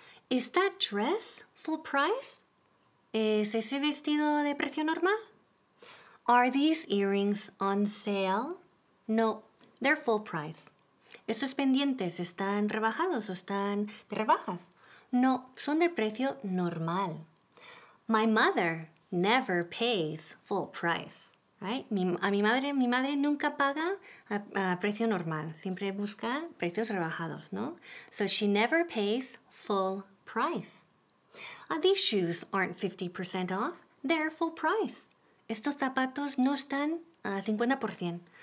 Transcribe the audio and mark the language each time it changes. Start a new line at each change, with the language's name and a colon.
English: Is that dress full price?
Spanish: ¿Es ese vestido de precio normal?
English: Are these earrings on sale? No, they're full price.
Spanish: ¿Esos pendientes están rebajados o están de rebajas? No, son de precio normal.
English: My mother never pays full price.
Spanish: Right? Mi madre nunca paga a precio normal. Siempre busca precios rebajados, ¿no?
English: So she never pays full price. These shoes aren't 50% off. They're full price.
Spanish: Estos zapatos no están a 50%.